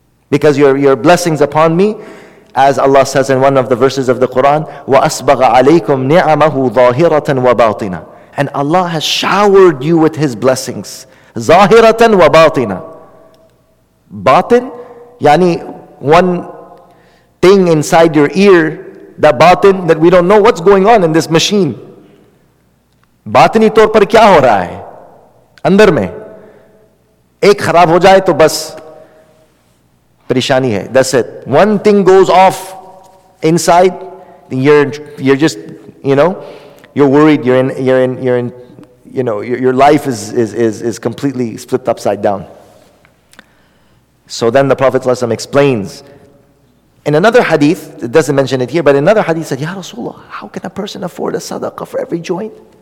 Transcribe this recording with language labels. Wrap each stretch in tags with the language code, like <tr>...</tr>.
<en>Because your blessings upon me, as Allah says in one of the verses of the Quran,</en> <ar>وَأَسْبَغَ عَلَيْكُمْ نِعَمَهُ ظَاهِرَةً وَبَاطِنَا.</ar> <en>And Allah has showered you with His blessings.</en> <ar>ظَاهِرَةً وَبَاطِنَا.</ar> <en>Batin, yani one thing inside your ear, the batin, that we don't know what's going on in this machine.</en> <ur>باطنی طور پر کیا ہو رہا ہے؟ اندر میں. ایک خراب ہو جائے تو بس. Parishani hai. That's it.</ur> <en>One thing goes off inside, you're just, you know, you're worried. You're in. You know, your life is completely flipped upside down. So then the Prophet ﷺ explains. In another hadith, it doesn't mention it here, but another hadith said, Ya Rasulullah, how can a person afford a sadaqah for every joint?</en>